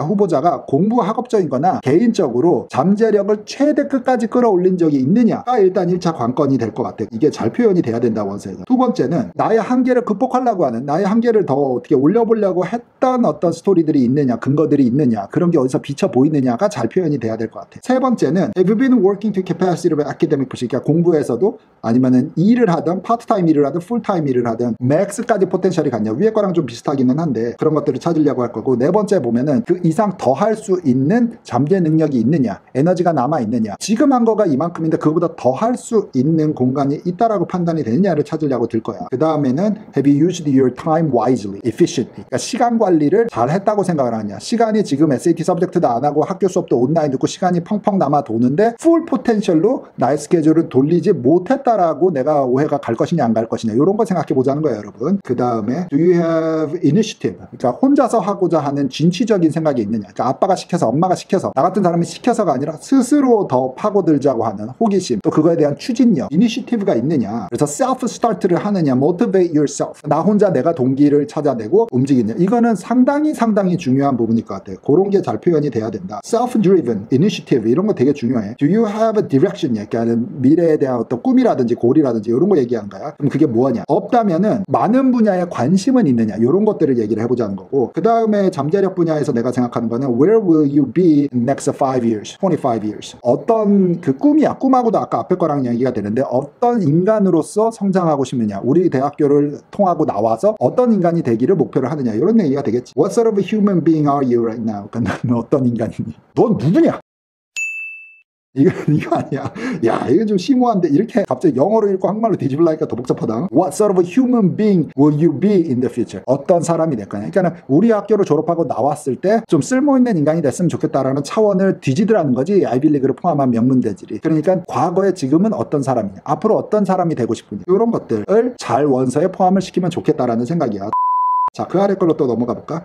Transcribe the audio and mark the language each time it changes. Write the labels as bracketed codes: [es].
[ko] 후보자가 공부 학업적인 거나 개인적으로 잠재력을 최대 끝까지 끌어올린 적이 있느냐가 일단 1차 관건이 될 거야. 것 같아. 이게 잘 표현이 돼야 된다, 원세는. 두 번째는 나의 한계를 극복하려고 하는, 나의 한계를 더 어떻게 올려보려고 했던 어떤 스토리들이 있느냐, 근거들이 있느냐, 그런 게 어디서 비쳐 보이느냐가 잘 표현이 돼야 될 것 같아. 세 번째는 [en] Have you been working to capacity of academic pursuit? [ko] 그러니까 공부에서도 아니면은 일을 하든 파트타임 일을 하든 풀타임 일을 하든 맥스까지 포텐셜이 갔냐, 위에 거랑 좀 비슷하기는 한데 그런 것들을 찾으려고 할 거고, 네 번째 보면은 그 이상 더 할 수 있는 잠재 능력이 있느냐, 에너지가 남아 있느냐, 지금 한 거가 이만큼인데 그거보다 더 할 수 있는 공간이 있다라고 판단이 되느냐를 찾으려고 들 거야. 그 다음에는 [en] Have you used your time wisely, efficiently? [ko] 그러니까 시간 관리를 잘 했다고 생각을 하냐, 시간이 지금 SAT 서브젝트도 안 하고 학교 수업도 온라인 듣고 시간이 펑펑 남아 도는데 풀 포텐셜로 나의 스케줄을 돌리지 못했다라고 내가 오해가 갈 것이냐 안 갈 것이냐, 이런 거 생각해 보자는 거예요, 여러분. 그 다음에 [en] Do you have initiative? [ko] 그러니까 혼자서 하고자 하는 진취적인 생각이 있느냐, 그러니까 아빠가 시켜서, 엄마가 시켜서, 나 같은 사람이 시켜서가 아니라 스스로 더 파고들자고 하는 호기심, 또 그거에 대한 추진력, 이니시티브가 있느냐, 그래서 self-start를 하느냐, [en] motivate yourself, [ko] 나 혼자 내가 동기를 찾아내고 움직이느냐, 이거는 상당히 상당히 중요한 부분일 것 같아요. 그런 게 잘 표현이 돼야 된다. self-driven, initiative 이런 거 되게 중요해. [en] Do you have a direction? [ko] 그러니까 미래에 대한 어떤 꿈이라든지 골이라든지 이런 거 얘기한 거야. 그럼 그게 뭐냐, 없다면은 많은 분야에 관심은 있느냐, 이런 것들을 얘기를 해보자는 거고, 그 다음에 잠재력 분야에서 내가 생각하는 거는 [en] where will you be in next 5 years, 25 years? [ko] 어떤 그 꿈이야, 꿈하고도 아까 앞에 거랑 얘기가 되는데 어떤 인간으로서 성장하고 싶느냐, 우리 대학교를 통하고 나와서 어떤 인간이 되기를 목표로 하느냐, 이런 얘기가 되겠지. [en] What sort of human being are you right now? [ko] 그러니까 넌 어떤 인간이니? 넌 누구냐? 이거 아니야. 야, 이건 좀 심오한데 이렇게 갑자기 영어로 읽고 한국말로 뒤집으려니까 더 복잡하다. [en] What sort of a human being will you be in the future? [ko] 어떤 사람이 될 거냐. 그러니까 우리 학교를 졸업하고 나왔을 때 좀 쓸모있는 인간이 됐으면 좋겠다라는 차원을 뒤지더라는 거지, 아이빌리그를 포함한 명문대들이. 그러니까 과거에 지금은 어떤 사람이냐, 앞으로 어떤 사람이 되고 싶으냐, 이런 것들을 잘 원서에 포함을 시키면 좋겠다라는 생각이야. 자, 그 아래 걸로 또 넘어가 볼까?